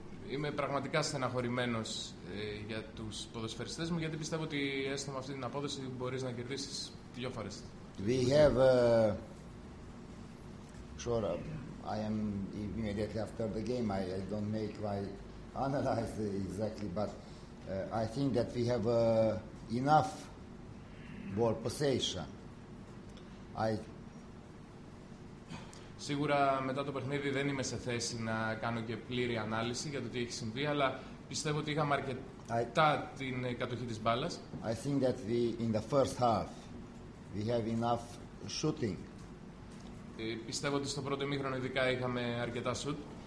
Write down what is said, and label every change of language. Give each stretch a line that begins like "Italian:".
Greek: Είμαι πραγματικά στεναχωρημένος για τους ποδοσφαιριστές μου, γιατί πιστεύω ότι έστω με αυτή την απόδοση μπορείς να κερδίσεις δύο φορές.
English: We have sure I am immediately after the game. I don't make my analyze exactly, but I think that we have enough ball possession.
Greek: Σίγουρα μετά το παιχνίδι δεν είμαι σε θέση να κάνω και πλήρη ανάλυση για το τι έχει συμβεί, αλλά πιστεύω ότι είχαμε αρκετά την κατοχή της μπάλας.
English: I think that we in the first half we have enough shooting.
Greek: Πιστεύω ότι στο πρώτο ημίχρονο ειδικά είχαμε αρκετά shoot.